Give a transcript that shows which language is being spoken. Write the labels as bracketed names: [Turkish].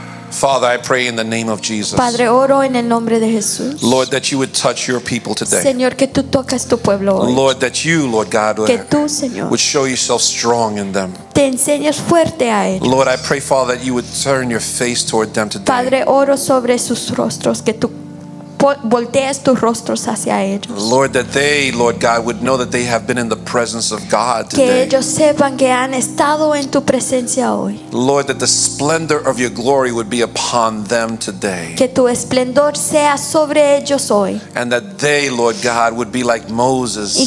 [English] Father, I pray in the name of Jesus. [Spanish] Padre, oro en el nombre de Jesús. [English] Lord, that you would touch your people today. [Spanish] Señor, que tú tocas tu pueblo hoy. [English] Lord, that you, Lord God, [Spanish] que tú, Señor, [English] would show yourself strong in them. [Spanish] Te enseñes fuerte a ellos. [English] Lord, I pray, Father, that you would turn your face toward them today. [Spanish] Padre, oro sobre sus rostros, que tú voltees tus rostros hacia ellos. [English] Lord, that they, Lord God, would know that they have been in the presence of God today. [Spanish] Que ellos sepan que han estado en tu presencia hoy. [English] Lord, that the splendor of your glory would be upon them today. [Spanish] Que tu esplendor sea sobre ellos hoy. [English] And that they, Lord God, would be like Moses.